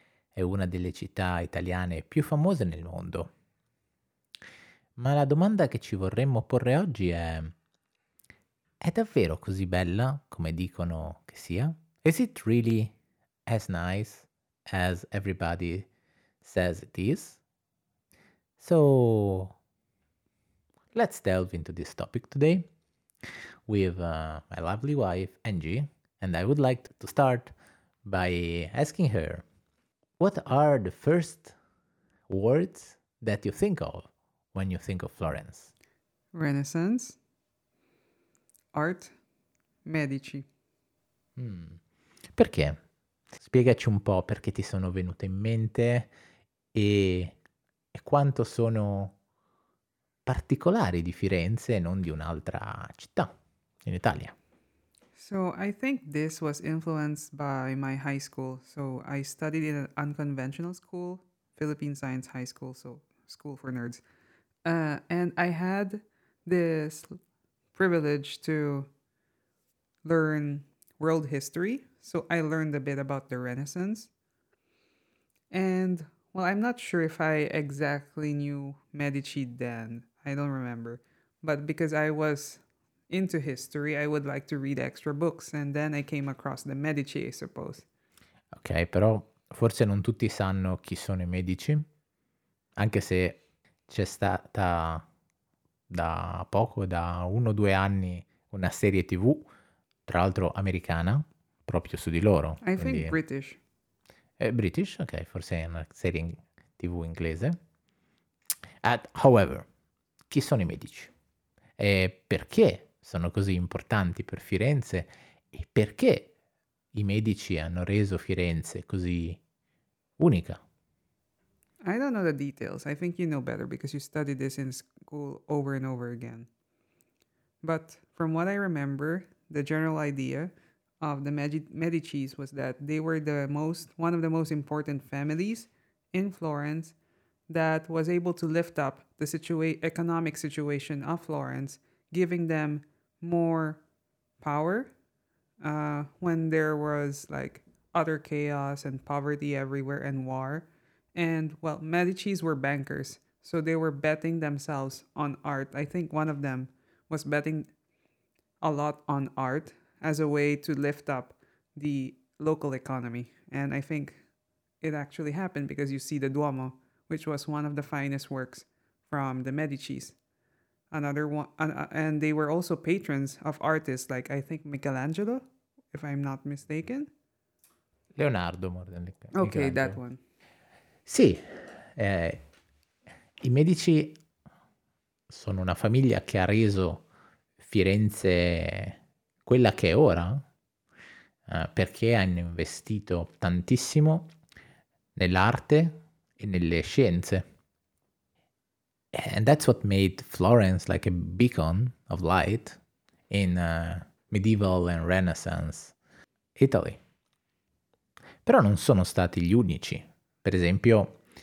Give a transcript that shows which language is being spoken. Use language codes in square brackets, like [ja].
[it] È una delle città italiane più famose nel mondo. Ma la domanda che ci vorremmo porre oggi è davvero così bella come dicono che sia? [en] Is it really as nice as everybody says it is? So, let's delve into this topic today with my lovely wife, Angie, and I would like to start by asking her, what are the first words that you think of when you think of Florence? Renaissance, art, Medici. [it] Perché? Spiegaci un po' perché ti sono venute in mente e quanto sono particolari di Firenze e non di un'altra città in Italia. [en] So I think this was influenced by my high school. So I studied in an unconventional school, Philippine Science High School, so school for nerds. And I had this privilege to learn world history. So I learned a bit about the Renaissance. And, well, I'm not sure if I exactly knew Medici then. I don't remember. But because I was into history, I would like to read extra books. And then I came across the Medici, I suppose. [it] Okay, però forse non tutti sanno chi sono i Medici. Anche se c'è stata da poco, da uno o due anni, una serie TV, tra l'altro americana, proprio su di loro. Quindi [en] think British. [it] British, ok, forse è una serie TV inglese. [en] However, [it] chi sono i Medici? E perché sono così importanti per Firenze? E perché i Medici hanno reso Firenze così unica? [en] I don't know the details. I think you know better because you studied this in school over and over again. But from what I remember, the general idea of the Medicis was that they were one of the most important families in Florence that was able to lift up the economic situation of Florence, giving them more power when there was like utter chaos and poverty everywhere and war. And, well, Medicis were bankers, so they were betting themselves on art. I think one of them was betting a lot on art as a way to lift up the local economy. And I think it actually happened because you see the Duomo, which was one of the finest works from the Medicis. Another one, and they were also patrons of artists, like I think Michelangelo, if I'm not mistaken. Leonardo, more than Michelangelo. Okay, that one. [it] Sì, i Medici sono una famiglia che ha reso Firenze quella che è ora, perché hanno investito tantissimo nell'arte e nelle scienze. [en] And that's what made Florence like a beacon of light in medieval and Renaissance Italy. [it] Però non sono stati gli unici. Per esempio,